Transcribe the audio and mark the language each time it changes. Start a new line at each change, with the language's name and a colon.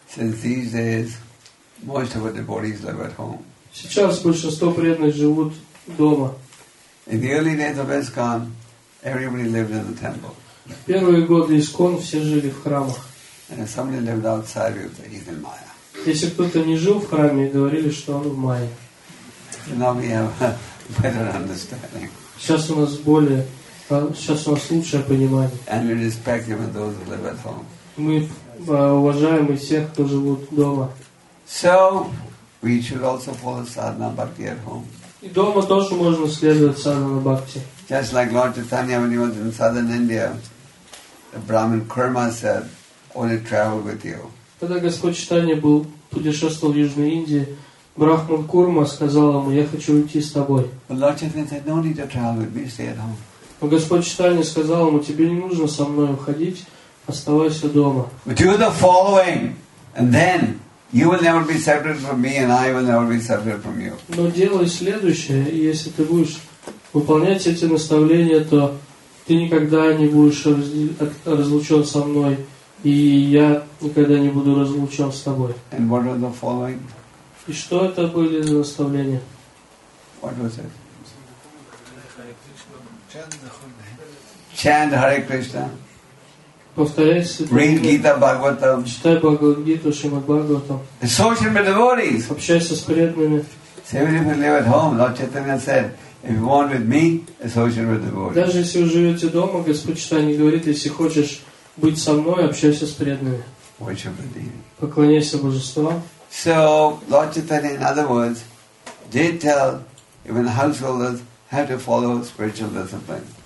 English: Since these days, most of the devotees live at home.
Russian: Сейчас большинство преданных живут дома.
English: In the early days of ISKCON, everybody lived in the temple.
Russian: Первые годы ISKCON все жили в храмах.
English: And if somebody lived outside, it was even Maya.
Russian: Если кто-то не жил в храме, говорили, что он в Майе.
English: Now we have a better understanding.
Russian: Сейчас у нас более Сейчас у нас лучшее понимание.
English: And we respect even those who live at home.
Russian: Мы уважаем и всех, кто живут дома.
English: So, we should also follow Sadhana Bhakti at home.
Russian: И дома тоже можно следовать Sadhana Bhakti.
English: Just like Lord Chaitanya, when he was in southern India, the Brahmin Kurma said, only travel with you.
Russian: Когда Господь Чайтанья путешествовал в Южной Индии, Брахман Курма сказал ему, я хочу уйти с тобой.
English: But Lord Chaitanya said, no need to travel with me, stay at home.
Russian: Но Господь Чайтанья сказал ему, тебе не нужно со мной уходить, оставайся дома.
English: Do the following, and then you will never be separate from me, and I will never be separate from you.
Russian: Но делай следующее, и если ты будешь выполнять эти наставления, то ты никогда не будешь разлучен со мной, и я никогда не буду разлучен с тобой.
English: And what are the following?
Russian: И что это были за наставления?
English: What was it? Chant Hare Krishna.
Russian: Повторяйся.
English: Read Gita Bhagavatam.
Russian: Читай Бхагавад-гиту, Шримад Бхагаватам.
English: Associate with devotees.
Russian: Общайся с преданными.
English: Even if you live at home, Lord Chaitanya said, if you want with me, associate with devotees.
Russian: Даже если вы живете дома, Господь Чайтанья говорит, если хочешь быть со мной, общайся с преданными.
English: Worship the deity.
Russian: Поклоняйся божествам.
English: So Lord Chaitanya, in other words, did tell even householders how to follow spiritual discipline.